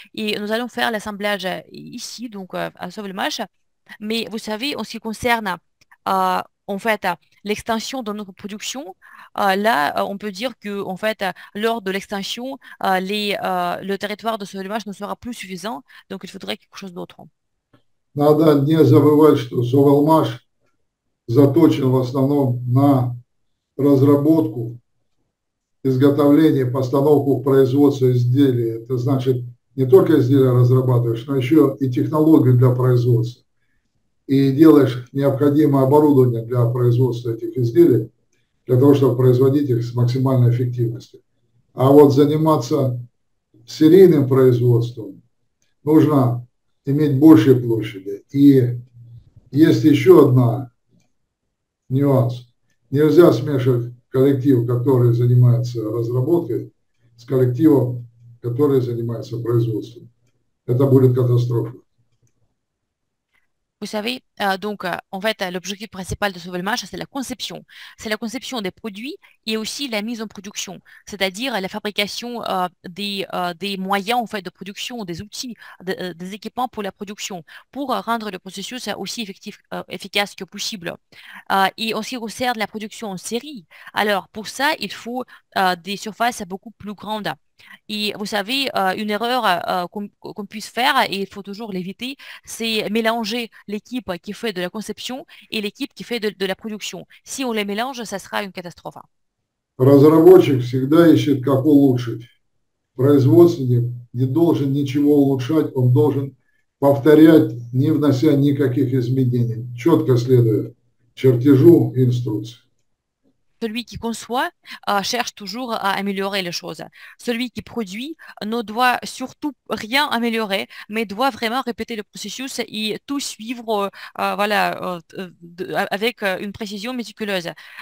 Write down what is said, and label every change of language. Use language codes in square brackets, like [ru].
[fr] Et nous allons faire l'assemblage ici, donc à Sauvelmash. Mais vous savez, en ce qui concerne en fait l'extension de notre production, là on peut dire que en fait lors de l'extension, le territoire de Sauvelmash ne sera plus suffisant, donc il faudrait quelque chose d'autre. [ru] Надо не забывать, что Совалмаш заточен в основном на разработку, изготовление, постановку в производство изделий. Это значит, не только изделия разрабатываешь, но еще и технологию для производства. И делаешь необходимое оборудование для производства этих изделий, для того, чтобы производить их с максимальной эффективностью. А вот заниматься серийным производством нужно иметь большие площади и Есть еще одна нюанс. Нельзя смешивать коллектив, который занимается разработкой, с коллективом, который занимается производством. Это будет катастрофа. [fr] Vous savez, en fait, l'objectif principal de ce volumage, c'est la conception. C'est la conception des produits et aussi la mise en production, c'est-à-dire la fabrication des moyens en fait, de production, des outils, des équipements pour la production, pour rendre le processus aussi effectif, efficace que possible. Et en ce qui concerne la production en série, alors pour ça, il faut des surfaces beaucoup plus grandes. Et vous savez, une erreur qu'on puisse faire, et il faut toujours l'éviter, c'est mélanger l'équipe qui fait de la conception et l'équipe qui fait de la production. Si on les mélange, ça sera une catastrophe. [ru] Разработчик всегда ищет, как улучшить. Производственник не должен ничего улучшать, он должен повторять, не внося никаких изменений, четко следуя чертежу и инструкции. [fr] Celui qui conçoit cherche toujours à améliorer les choses. Celui qui produit ne doit surtout rien améliorer, mais doit vraiment répéter le processus et tout suivre avec une précision méticuleuse.